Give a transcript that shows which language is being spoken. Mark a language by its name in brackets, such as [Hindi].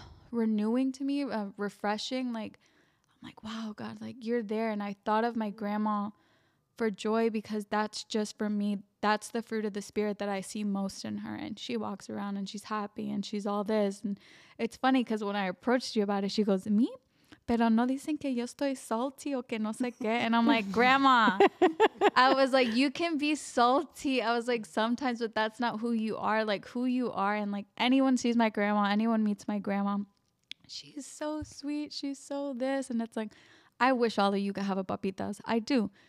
[English] Renewing to me, refreshing. Like, I'm like, wow, God, like, you're there. And I thought of my grandma for joy because that's just, for me, that's the fruit of the spirit that I see most in her. And she walks around and she's happy and she's all this. And it's funny because when I approached you about it, she goes, me? [Spanish] Pero no dicen que yo estoy salty o que no sé qué. [English] And I'm like, grandma, I was like, you can be salty. I was like, sometimes, but that's not who you are. Like, who you are. And like, anyone sees my grandma, anyone meets my grandma, she's so sweet. She's so this. And it's like, I wish all of you could have a papitas. I do.